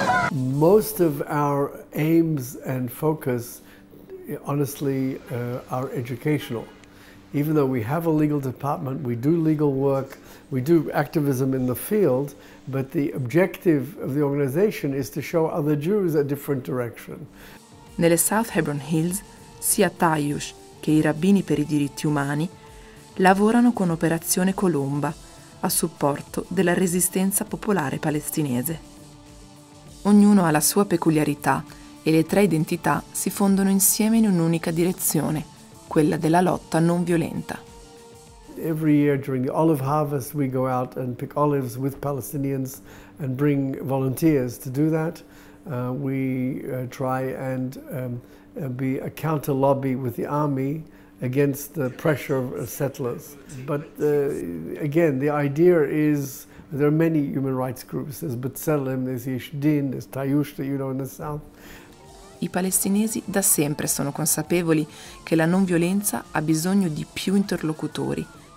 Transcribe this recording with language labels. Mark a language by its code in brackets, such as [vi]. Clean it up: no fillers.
[en] Most of our aims and focus, honestly, are educational. Even though we have a legal department, we do legal work, we do activism in the field, but the objective of the organization is to show other Jews a different direction. [it] Nelle South Hebron Hills, sia Tayush che i Rabbini per i diritti umani lavorano con Operazione Colomba, a supporto della resistenza popolare palestinese. Ognuno ha la sua peculiarità e le tre identità si fondono insieme in un'unica direzione, quella della lotta non violenta. [en] Every year during the olive harvest we go out and pick olives with Palestinians and bring volunteers to do that. We try and be a counter lobby with the army against the pressure of settlers. But again, the idea is there are many human rights groups. There's B'Tselem, there's Yesh Din, there's Tayush that you know in the south. [it] I palestinesi da sempre sono consapevoli che la non violenza ha bisogno di più interlocutori.